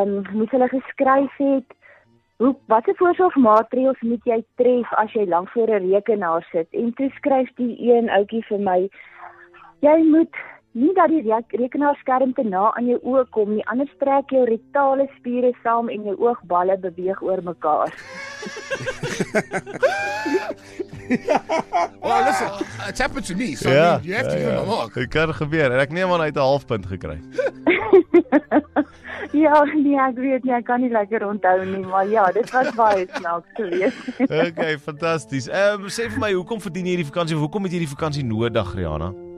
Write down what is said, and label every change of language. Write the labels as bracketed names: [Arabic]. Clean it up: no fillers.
[Afrikaans] Moet hulle geskryf het, wat is voorsorgmaatreëls moet jy tref as jy lank voor 'n rekenaar sit? En toe skryf die een ouetjie vir my, jy moet nie dat die rekenaarskerm te na aan jou oog kom nie, anders trek jou retale spiere saam en jou oogballe beweeg oor mekaar. [English] Well, listen, it's happened to me, so yeah, I mean, you have to give him a mark. [Afrikaans] Het kan gebeur, en ek neem aan hy het 'n halfpunt gekry. Ja, nee, ek weet nie, ek kan nie lekker onthou nie, maar ja, dit was baie snaaks geweest. Okay, fantasties. Sê vir my, hoekom verdien jy die vakansie, of hoekom het jy die vakansie nodig, Rihanna?